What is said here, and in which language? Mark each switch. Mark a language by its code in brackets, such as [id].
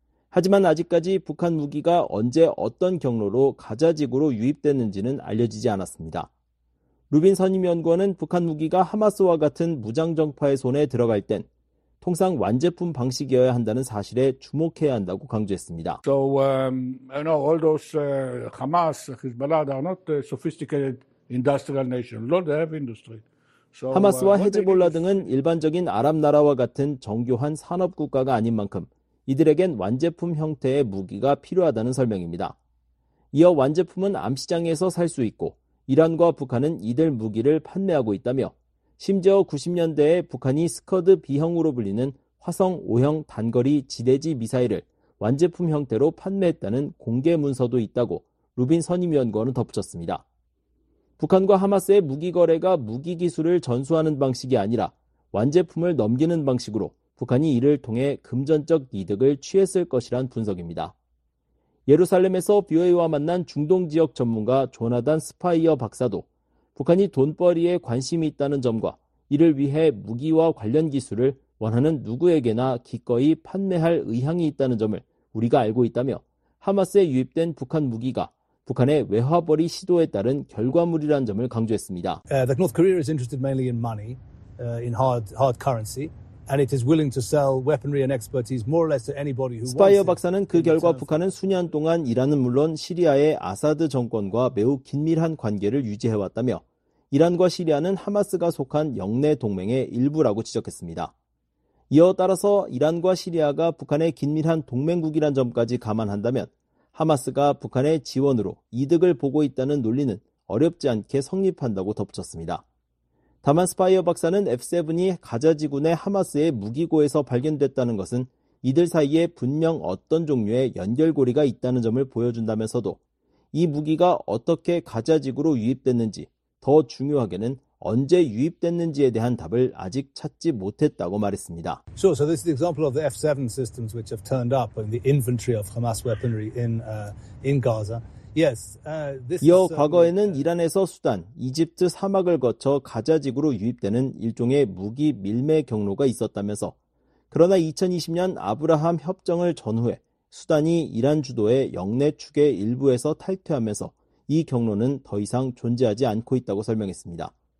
[ko] 하지만 아직까지 북한 무기가 언제 어떤 경로로 가자지구로 유입됐는지는 알려지지 않았습니다. 루빈 선임연구원은 북한 무기가 하마스와 같은 무장정파의 손에 들어갈 땐 통상 완제품 방식이어야 한다는 사실에 주목해야 한다고 강조했습니다. [en] So, you know, all those Hamas, Hezbollah, they are not sophisticated industrial nations. No, they have industry. [ko] 하마스와 헤즈볼라 등은 일반적인 아랍 나라와 같은 정교한 산업 국가가 아닌 만큼 이들에겐 완제품 형태의 무기가 필요하다는 설명입니다. 이어 완제품은 암시장에서 살 수 있고 이란과 북한은 이들 무기를 판매하고 있다며 심지어 90년대에 북한이 스커드 B형으로 불리는 화성 5형 단거리 지대지 미사일을 완제품 형태로 판매했다는 공개 문서도 있다고 루빈 선임연구원은 덧붙였습니다. 북한과 하마스의 무기 거래가 무기 기술을 전수하는 방식이 아니라 완제품을 넘기는 방식으로 북한이 이를 통해 금전적 이득을 취했을 것이란 분석입니다. 예루살렘에서 BOA와 만난 중동지역 전문가 조나단 스파이어 박사도 북한이 돈벌이에 관심이 있다는 점과 이를 위해 무기와 관련 기술을 원하는 누구에게나 기꺼이 판매할 의향이 있다는 점을 우리가 알고 있다며 하마스에 유입된 북한 무기가 북한의 외화벌이 시도에 따른 결과물이라는 점을 강조했습니다. [en] The North Korea is interested mainly in money, in hard currency, and it is willing to sell weaponry and expertise more or less to anybody who wants. [ko] 스파이어 박사는 그 결과 북한은 수년 동안 이란은 물론 시리아의 아사드 정권과 매우 긴밀한 관계를 유지해 왔다며 이란과 시리아는 하마스가 속한 영내 동맹의 일부라고 지적했습니다. 이어 따라서 이란과 시리아가 북한의 긴밀한 동맹국이란 점까지 감안한다면 하마스가 북한의 지원으로 이득을 보고 있다는 논리는 어렵지 않게 성립한다고 덧붙였습니다. 다만 스파이어 박사는 F7이 가자지구 내 하마스의 무기고에서 발견됐다는 것은 이들 사이에 분명 어떤 종류의 연결고리가 있다는 점을 보여준다면서도 이 무기가 어떻게 가자지구로 유입됐는지 더 중요하게는 언제 유입됐는지에 대한 답을 아직 찾지 못했다고 말했습니다. [en] Sure, so this is an example of the F7 systems which have turned up in the inventory of Hamas weaponry in Gaza. Yes, this [ko] 이어 과거에는 이란에서 수단, 이집트 사막을 거쳐 가자 지구로 유입되는 일종의 무기 밀매 경로가 있었다면서 그러나 2020년 아브라함 협정을 전후해 수단이 이란 주도의 영내 축의 일부에서 탈퇴하면서 이 경로는 더 이상 존재하지 않고 있다고 설명했습니다.